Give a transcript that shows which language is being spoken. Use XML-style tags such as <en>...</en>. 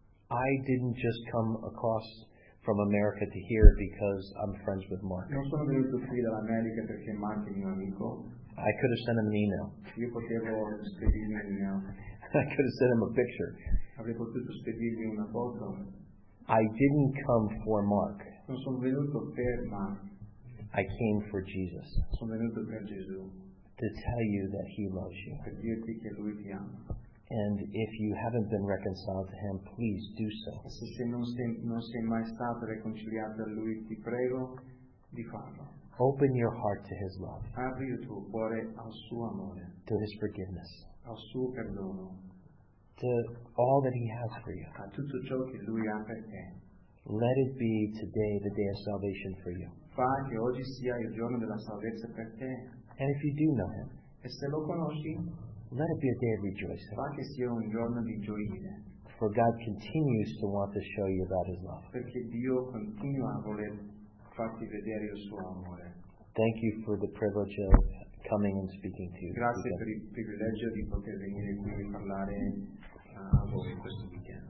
<en>I didn't just come across from America to here because I'm friends with Mark.</en> <it>Non sono venuto qui dall'America perché Mark è mio amico.</it> <en>I could have sent him an email.</en> <it>Io potevo spedirgli un'email.</it> <en>I could have sent him a picture.</en> <it>Avrei potuto spedirgli una foto.</it> <en>I didn't come for Mark.</en> <it>Non sono venuto per Mark.</it> <en>I came for Jesus.</en> <it>Sono venuto per Gesù.</it> <en>To tell you that he loves you.</en> <it>Per dirti che lui ti ama.</it> <en>And if you haven't been reconciled to him, please do so.</en> <it>Se non sei mai stato riconciliato a lui, ti prego di farlo.</it> <en>Open your heart to his love.</en> <it>Apri il tuo cuore al suo amore.</it> <en>To his forgiveness.</en> <it>Al suo perdono.</it> <en>To all that he has for you.</en> <it>A tutto ciò che lui ha per te.</it> <en>Let it be today the day of salvation for you.</en> <it>Fa che oggi sia il giorno della salvezza per te.</it> <en>And if you do know him,</en> <it>e se lo conosci,</it> <en>let it be a day of rejoicing.</en> <it>Fa che sia un giorno di gioia.</it> <en>For God continues to want to show you about his love.</en> <it>Perché Dio continua a voler farti vedere il suo amore.</it> <en>Thank you for the privilege of coming and speaking to you.</en> <it>Grazie per il privilegio di poter venire qui a parlare a voi questo weekend.</it>